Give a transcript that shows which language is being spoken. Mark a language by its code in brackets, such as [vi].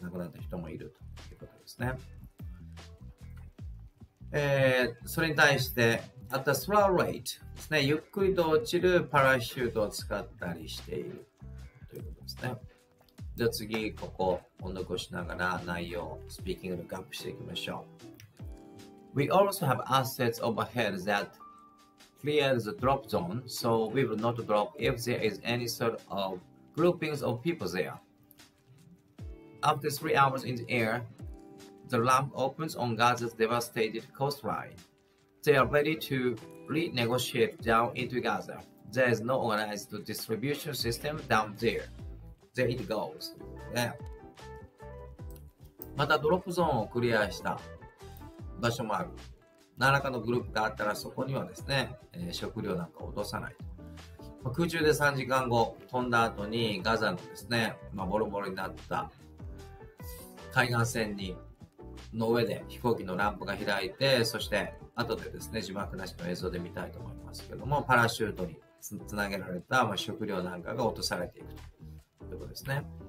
[ja] 亡くなった人もいるということですね。それに対して、 [en] at the slow rate [ja] ですね、ゆっくりと落ちるパラシュートを使ったりしているということですね。じゃあ次、ここを残しながら内容、スピーキングのガップしていきましょう。 [en] We also have assets overhead that clear the drop zone, so we will not drop if there is any sort of groupings of people there. After 3 hours in the air, the ramp opens on Gaza's devastated coastline. They are ready to renegotiate down into Gaza. There is no organized distribution system down there. There it goes. Yeah. [ja] またドロップゾーンをクリアした場所もある。何らかのグループがあったらそこにはですね、食料なんか落とさない。空中で3時間後飛んだ後にガザのですね、まあ、ボロボロになった海岸線にの上で飛行機のランプが開いて、そして後でですね、字幕なしの映像で見たいと思いますけども、パラシュートにつなげられた、まあ、食料なんかが落とされていくということですね。